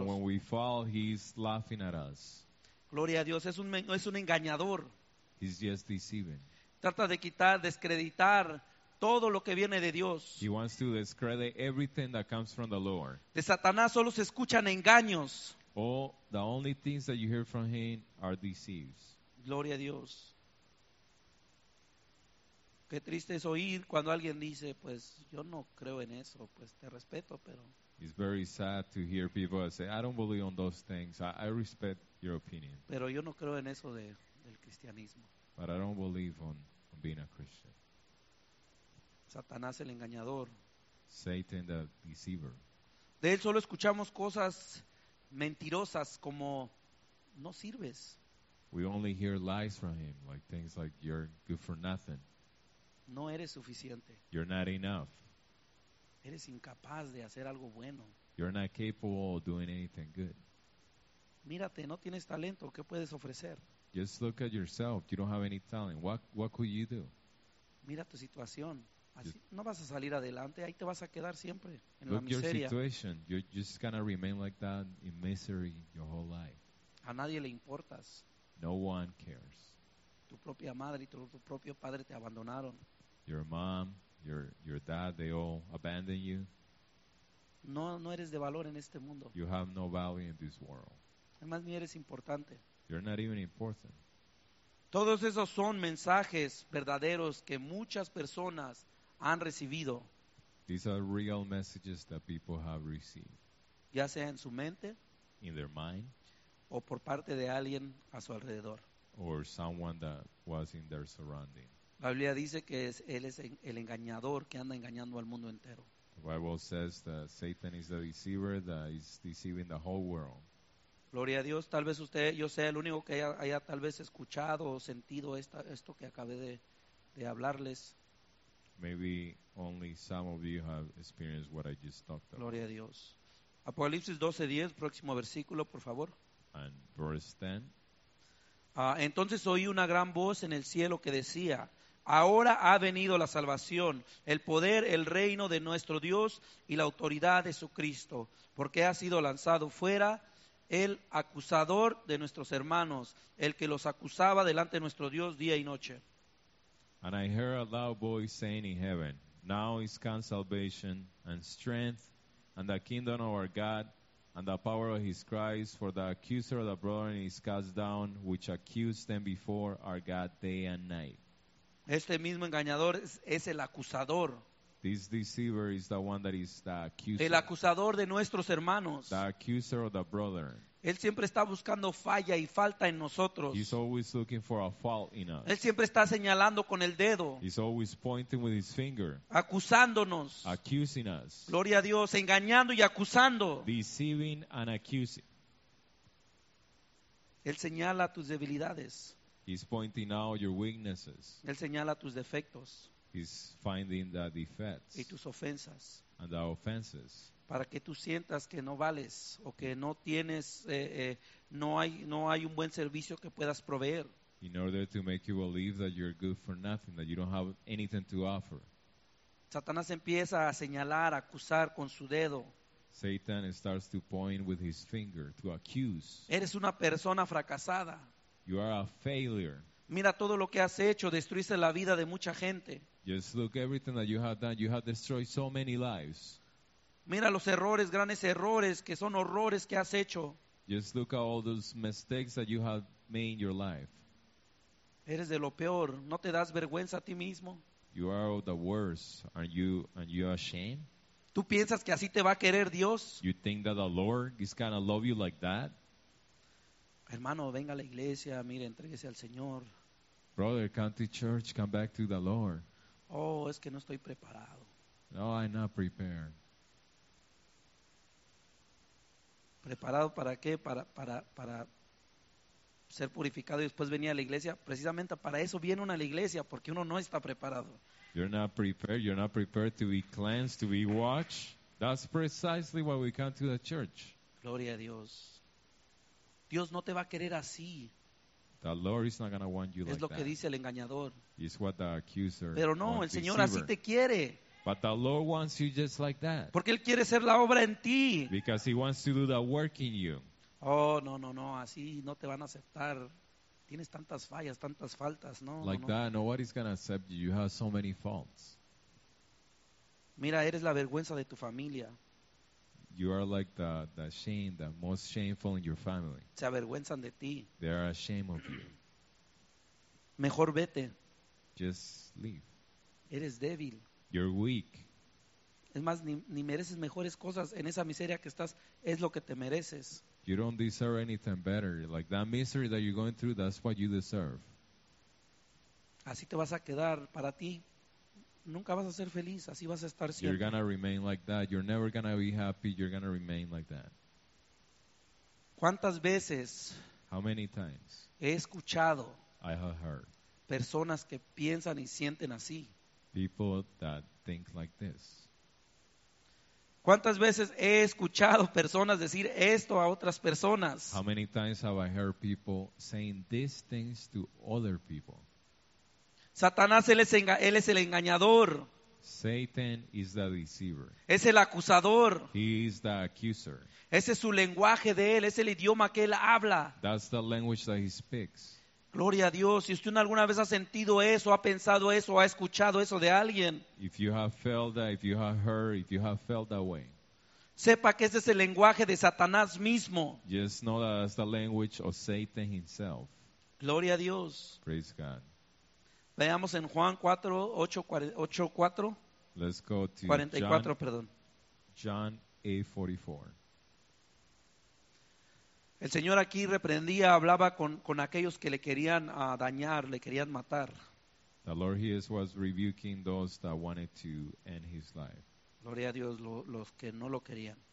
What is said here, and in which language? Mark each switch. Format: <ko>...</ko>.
<en>And when we fall, he's laughing at us.</en> <es>Gloria a Dios, es un engañador.</es> <en>He's just deceiving.</en> <es>Trata de quitar, descreditar todo lo que viene de Dios.</es> <en>He wants to discredit everything that comes from the Lord.</en> <es>De Satanás solo se escuchan engaños.</es> <en>The only things that you hear from him are deceives.</en> <es>Gloria a Dios. Qué triste es oír cuando alguien dice, pues yo no creo en eso, pues te respeto, pero...</es> <en>It's very sad to hear people say, I don't believe on those things. I respect your opinion.</en> <es>Pero yo no creo en eso del cristianismo.</es> <en>But I don't believe on being a Christian.</en> <es>Satanás el engañador.</es> <en>Satan the deceiver.</en> <es>De él solo escuchamos cosas mentirosas como, no sirves.</es> <en>We only hear lies from him, like things like, you're good for nothing.</en> <es>No eres suficiente.</es> <en>You're not enough.</en> <es>Eres incapaz de hacer algo bueno.</es> <en>You're not capable of doing anything good.</en> <es>Mírate, no tienes talento. ¿Qué puedes ofrecer?</es> <en>Just look at yourself. You don't have any talent. What could you do?</en> <es>Mira tu situación. Así no vas a salir adelante. Ahí te vas a quedar siempre en</es> <en>look</en> <es>la miseria.</es> <en>Your situation. You're just gonna remain like that in misery your whole life.</en> <es>A nadie le importas.</es> <en>No one cares.</en> <es>Tu propia madre y tu propio padre te abandonaron.</es> <en>Your mom. Your dad, they all abandon you.</en> <es>No eres de valor en este mundo.</es> <en>You have no value in this world.</en> <es>Además, ni eres importante.</es> <en>You're not even important.</en> <es>Todos esos son mensajes verdaderos que muchas personas han recibido.</es> <en>These are real messages that people have received.</en> <es>Ya sea en su mente.</es> <en>In their mind.</en> <es>O por parte de alguien a su alrededor.</es> <en>Or someone that was in their surrounding.</en> <es>La Biblia dice que él es el engañador que anda engañando al mundo entero.</es> <en>The Bible says that Satan is the deceiver that is deceiving the whole world.</en> <es>Gloria a Dios, tal vez usted, yo sea el único que haya tal vez escuchado o sentido esto que acabé de hablarles.</es> <en>Maybe only some of you have experienced what I just talked about.</en> <es>Gloria a Dios. Apocalipsis 12:10, próximo versículo, por favor.</es> <en>And verse 10.</en> <es>Entonces oí una gran voz en el cielo que decía, ahora ha venido la salvación, el poder, el reino de nuestro Dios y la autoridad de su Cristo, porque ha sido lanzado fuera el acusador de nuestros hermanos, el que los acusaba delante de nuestro Dios día y noche.</es> <en>And I heard a loud voice saying in heaven, now is come salvation and strength and the kingdom of our God. And the power of his Christ, for the accuser of the brethren is cast down, which accused them before our God day and night.</en> <es>Este mismo engañador es el acusador.</es> <en>This deceiver is the one that is the accuser.</en> <es>El acusador de nuestros hermanos.</es> <en>The accuser of the brethren.</en> <es>Él siempre está buscando falla y falta en nosotros.</es> <en>He's always looking for a fault in us.</en> <es>Él siempre está señalando con el dedo.</es> <en>He's always pointing with his finger.</en> <es>Acusándonos.</es> <en>Accusing us.</en> <es>Gloria a Dios, engañando y acusando.</es> <en>Deceiving and accusing.</en> <es>Él señala tus debilidades.</es> <en>He's pointing out your weaknesses.</en> <es>Él señala tus defectos.</es> <en>He's finding the defects.</en> <es>Y tus ofensas.</es> <en>And the offenses.</en> <es>Para que tú sientas que no vales o que no tienes, no hay un buen servicio que puedas proveer.</es> <en>In order to make you believe that you're good for nothing, that you don't have anything to offer.</en> <es>Satanás empieza a señalar, a acusar con su dedo.</es> <en>Satan starts to point with his finger to accuse.</en> <es>Eres una persona fracasada.</es> <en>You are a failure.</en> <es>Mira todo lo que has hecho, destruiste la vida de mucha gente.</es> <en>Just look everything that you have done. You have destroyed so many lives.</en> <es>Mira los errores, grandes errores, que son horrores que has hecho.</es> <en>Just look at all those mistakes that you have made in your life.</en> <es>Eres de lo peor, no te das vergüenza a ti mismo.</es> <en>You are the worst. Are you ashamed?</en> <es>¿Tú piensas que así te va a querer Dios?</es> <en>You think that the Lord is gonna love you like that?</en> <es>Hermano, venga a la iglesia, mire, entréguese al Señor.</es> <en>Brother, come to church, come back to the Lord.</en> <es>Oh, es que no estoy preparado.</es> <en>No, I'm not prepared.</en> <es>¿Preparado para qué? Para ser purificado y después venir a la iglesia. Precisamente para eso viene uno a la iglesia, porque uno no está preparado.</es> <en>You're not prepared. You're not prepared to be cleansed, to be washed. That's precisely why we come to the church.</en> <es>Gloria a Dios. Dios no te va a querer así.</es> <en>The Lord is not going to want you</en> <es>es</es> <en>like that.</en> <es>Es lo que dice el engañador.</es> <en>It's what the accuser.</en> <es>Pero no, el Señor así te quiere.</es> <en>But the Lord wants you just like that.</en> <es>Porque él quiere hacer la obra en ti.</es> <en>Because he wants to do the work in you.</en> <es>Oh, no, no, no, así no te van a aceptar. Tienes tantas fallas, tantas faltas, no.</es> <en>Like no, no. That, nobody's going to accept you. You have so many faults.</en> <es>Mira, eres la vergüenza de tu familia.</es> <en>You are like the shame, the most shameful in your family.</en> <es>Se avergüenzan de ti.</es> <en>They are ashamed of you.</en> <es>Mejor vete.</es> <en>Just leave.</en> <es>Eres débil.</es> <en>You're weak.</en> <es>Es más, ni mereces mejores cosas. En esa miseria que estás, es lo que te mereces.</es> <en>You don't deserve anything better. Like that misery that you're going through, that's what you deserve.</en> <es>Así te vas a quedar. Para ti, nunca vas a ser feliz. Así vas a estar siempre.</es> <en>You're gonna remain like that. You're never gonna be happy. You're gonna remain like that.</en> <es>¿Cuántas veces?</es> <en>How many times?</en> <es>He escuchado.</es> <en>I have heard.</en> <es>Personas que piensan y sienten así.</es> <en>People that think like this.</en> <es>¿Cuántas veces he escuchado personas decir esto a otras personas?</es> <en>How many times have I heard people saying these things to other people?</en> <es>Satanás, él es el engañador.</es> <en>Satan is the deceiver.</en> <es>Es el acusador.</es> <en>He is the accuser.</en> <es>Ese es su lenguaje de él, es el idioma que él habla.</es> <en>That's the language that he speaks.</en> <es>Gloria a Dios. Si usted alguna vez ha sentido eso, ha pensado eso, ha escuchado eso de alguien,</es> <en>if you have felt that, if you have heard, if you have felt that way,</en> <es>sepa que ese es el lenguaje de Satanás mismo.</es> <en>Just know that that's the language of Satan himself.</en> <es>Gloria a Dios.</es> <en>Praise God.</en> <es>Veamos en Juan 4:44.</es> <en>Let's go to 44, John,</en> <es>perdón.</es> <en>John 8:44.</en> <es>El Señor aquí reprendía, hablaba con aquellos que le querían dañar, le querían matar.</es> <en>The Lord he was rebuking those that wanted to end his life.</en> <es>Gloria a Dios, los que no lo querían.</es>